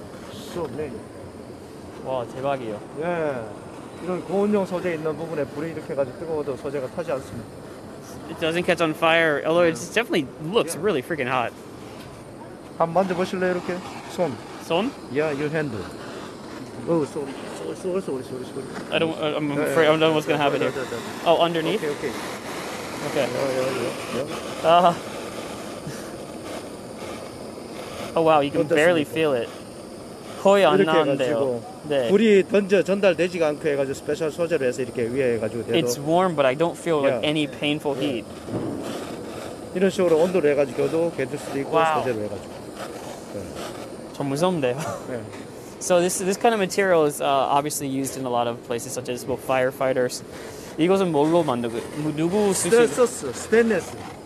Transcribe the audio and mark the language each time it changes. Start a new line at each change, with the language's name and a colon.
English: So many.
Korean: 와, 대박이요. 예.
English: Yeah.
Korean: 이런 고온용 소재 있는 부분에 불이 이렇게 해가지고 뜨거워도 소재가 타지 않습니다.
English: It doesn't catch on fire, although it definitely looks really freaking hot.
Korean: 한 만져보실래요, 이렇게? 손. 손?
English: Yeah, your hand. Oh, sorry. I'm afraid, I don't know what's going to happen here. Oh, underneath? Okay. Oh, wow, you can barely feel it.
Korean: 거의 안 나는데요. 네. 불이 던져 전달되지가 않게 해가지고 스페셜 소재로 해서 이렇게 위에 해가지고
English: 돼도 It's warm, but I don't feel like any painful heat.
Korean: 이런 식으로 온도를 해가지고도 견딜 수도 있고 소재로 해가지고. 좀 무서운데요.
English: So this kind of material is obviously used in a lot of places such as well, firefighters.
Korean: 이것은 뭘로 만들고 누구 쓰시는 스테인리스.